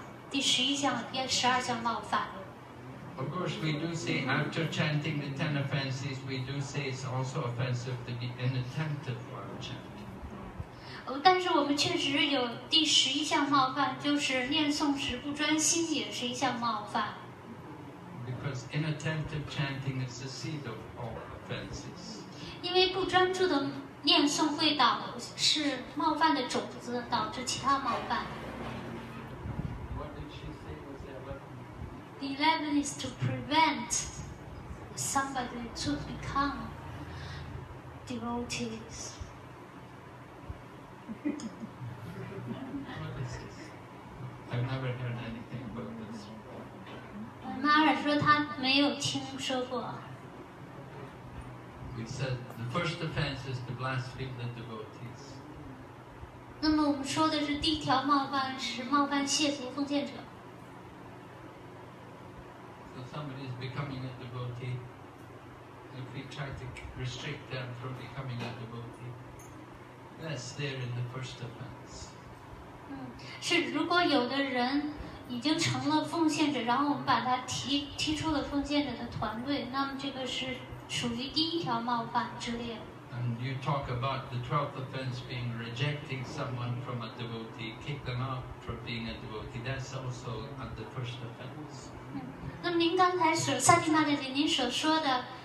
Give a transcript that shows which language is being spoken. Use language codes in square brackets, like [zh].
[zh] 我从来没听说过有第十这个两项，第十一项变十二项冒犯。 [en] Of course, we do say after chanting the 10 offenses, we do say it's also offensive to be inattentive while chanting. [zh] 但是我们确实有第十一项冒犯，就是念诵时不专心，也是一项冒犯。 [en] Because inattentive chanting is the seed of all offenses. [zh] 因为不专注的念诵会导致冒犯的种子，导致其他冒犯。 [en] What did she say was 11? The 11 is to prevent somebody to become devotees. What is this? I've never heard anything about this. Mara said he hasn't heard it. We said the first offense is to blaspheme the devotees. [zh] 那么我们说的是第一条冒犯是冒犯亵渎奉献者。 [en] So somebody is becoming a devotee. If we try to restrict them from becoming a devotee. Yes, they're in the first offense. [zh] 是如果有的人已经成了奉献者，然后我们把他踢出了奉献者的团队，那么这个是属于第一条冒犯之列。 [en] And you talk about the 12th offense being rejecting someone from a devotee, kick them out from being a devotee. That's also at the first offense. [zh] 那您刚才所，萨提玛姐姐，您所说的。